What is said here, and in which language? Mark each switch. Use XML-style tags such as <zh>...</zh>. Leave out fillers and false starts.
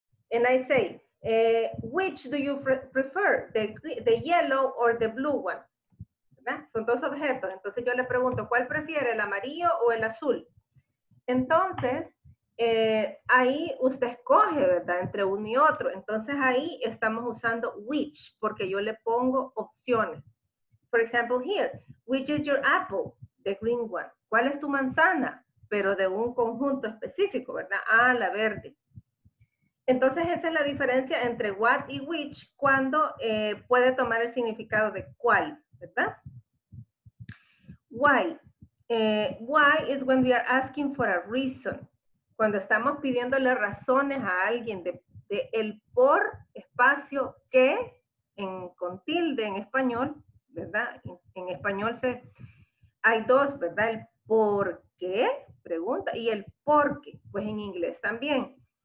<en>And I say, which do you prefer, the yellow or the blue one?</en> <es>¿Verdad? Son dos objetos. Entonces yo le pregunto, ¿cuál prefiere, el amarillo o el azul? Entonces, ahí usted escoge, ¿verdad? Entre uno y otro. Entonces ahí estamos usando which, porque yo le pongo opciones.</es> <en>For example, here, which is your apple? The green one.</en> <es>¿Cuál es tu manzana? Pero de un conjunto específico, ¿verdad? Ah, la verde. Entonces, esa es la diferencia entre what y which, cuando puede tomar el significado de cuál, ¿verdad? Why.</es> <en>Why is when we are asking for a reason.</en> <es>Cuando estamos pidiéndole razones a alguien de el por, espacio, que, con tilde en español, ¿verdad? En español hay dos, ¿verdad? El por qué, pregunta, y el por qué, pues en inglés también.</es>